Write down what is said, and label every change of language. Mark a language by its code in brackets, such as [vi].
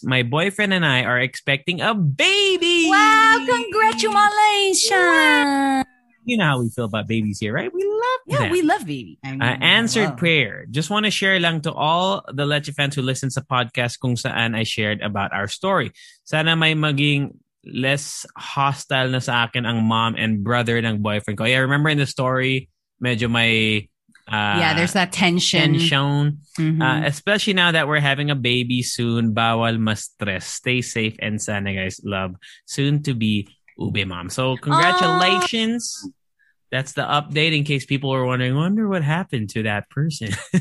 [en] My boyfriend and I are expecting a baby. Wow! Congratulations. Wow. You know how we feel about babies here, right? We love them. Yeah, we love baby. I mean, answered prayer. Just want to share lang to all the Leche fans who listen to podcast kung saan I shared about our story. [tl] Sana may maging less hostile na sa akin ang mom and brother ng boyfriend ko. [en] Yeah, remember in the story, medyo may There's that tension. Tension. Mm-hmm. Especially now that we're having a baby soon, bawal ma-stress. Stay safe and sana, guys. Love. Soon to be ube mom. So, congratulations. That's the update in case people were wondering, wonder what happened to that person.